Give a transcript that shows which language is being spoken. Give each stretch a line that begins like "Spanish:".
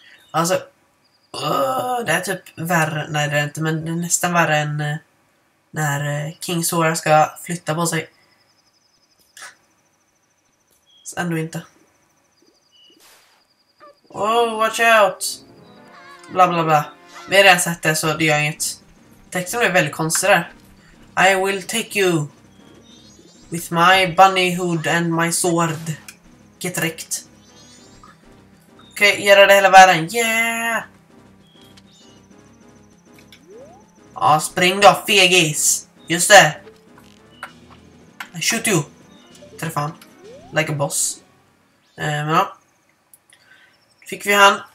Swedish: Alltså, det är typ värre, nej det är inte, men det är nästan värre än när King Sora ska flytta på sig. Så ändå inte.
English: Oh, watch out!
Swedish: Bla bla bla. Vi har redan sett det, så det gör inget. Texten blev väldigt konstig där.
English: I will take you with my bunny hood and my sword. Get wrecked.
Swedish: Okej, okay, göra det hela världen.
English: Yeah!
Swedish: Ja, spring då, fegis. Just det.
English: Shoot you!
Swedish: Träffa han.
English: Like a boss.
Swedish: Men ja. Fick vi han.